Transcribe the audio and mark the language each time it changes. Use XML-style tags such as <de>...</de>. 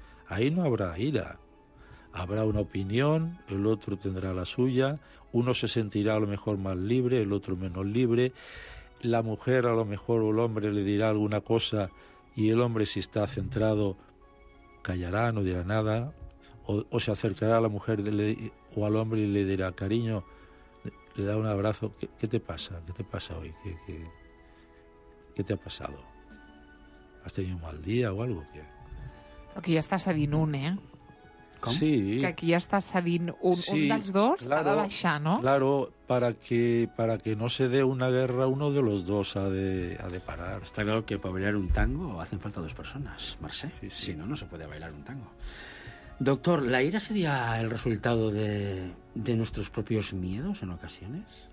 <es>Ahí no habrá ira. Habrá una opinión, el otro tendrá la suya, uno se sentirá a lo mejor más libre, el otro menos libre, la mujer a lo mejor o el hombre le dirá alguna cosa y el hombre, si está centrado, callará, no dirá nada, o se acercará a la mujer o al hombre y le dirá, cariño, le da un abrazo, ¿qué te pasa? ¿Qué te pasa hoy? ¿Qué te ha pasado? ¿Has tenido un mal día o algo? Lo que ya estás a Dinun, ¿eh?</es> <ca>¿Com? Sí. Que aquí ja estàs cedint un dels dos,</ca> <es>claro,</es> <ca>ha de baixar, no?</ca> <es>Claro, para que no se dé una guerra, uno de los dos ha de parar. Está claro que para bailar un tango hacen falta dos personas, Mercè. Sí, sí. Si no, no se puede bailar un tango. Doctor, ¿la ira sería el resultado de nuestros propios miedos en ocasiones?</es>